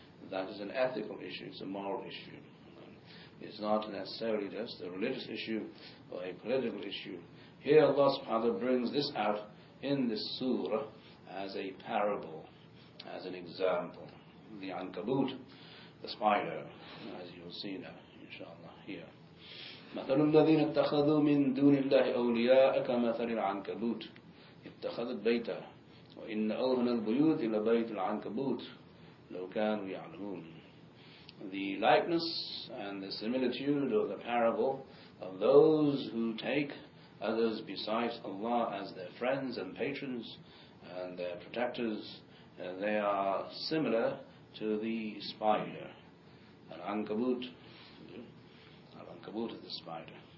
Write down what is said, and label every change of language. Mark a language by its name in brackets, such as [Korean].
[English] That is an ethical issue, it's a moral issue. It's not necessarily just a religious issue or a political issue. Here Allah subhanahu wa ta'ala brings this out in this surah as a parable, as an example. The Ankabut, the spider, as you'll see now, inshallah, here. [Arabic] مثل الذين اتخذوا من دون الله أولياء كمثل العنكبوت اتخذت بيتا وإن أوهن البيوت لبيت العنكبوت لو كانوا يعلمون. [English] The likeness and the similitude or the parable of those who take others besides Allah as their friends and patrons and their protectors, they are similar to the spider, al-ankabut, the spider.